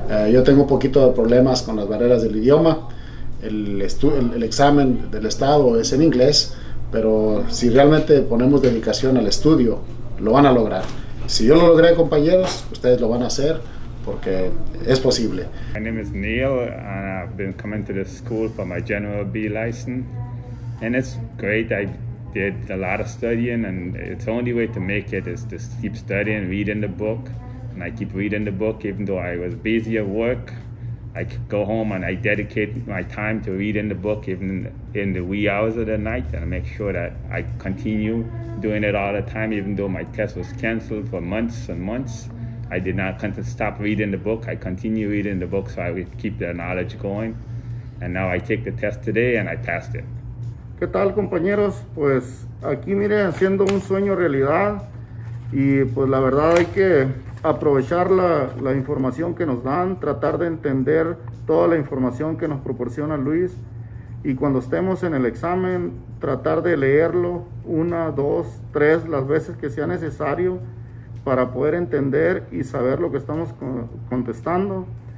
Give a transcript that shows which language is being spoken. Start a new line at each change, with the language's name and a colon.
Spanish: Yo tengo un poquito de problemas con las barreras del idioma. El examen del estado es en inglés, pero si realmente ponemos dedicación al estudio, lo van a lograr. Si yo lo logré, compañeros, ustedes lo van a hacer, porque es posible.
English: My name is Neil, and I've been coming to the school for my General B license. And it's great, I did a lot of studying, and it's the only way to make it is to keep studying, reading the book. And I keep reading the book, even though I was busy at work. I go home and I dedicate my time to reading the book even in the wee hours of the night, and I make sure that I continue doing it all the time, even though my test was canceled for months and months. I did not stop reading the book. I continue reading the book so I would keep the knowledge going. And now I take the test today and I passed it.
Spanish: ¿Qué tal, compañeros? Pues aquí miren, haciendo un sueño realidad, y pues la verdad hay que aprovechar la información que nos dan, tratar de entender toda la información que nos proporciona Luis, y cuando estemos en el examen, tratar de leerlo una, dos, tres, las veces que sea necesario para poder entender y saber lo que estamos contestando.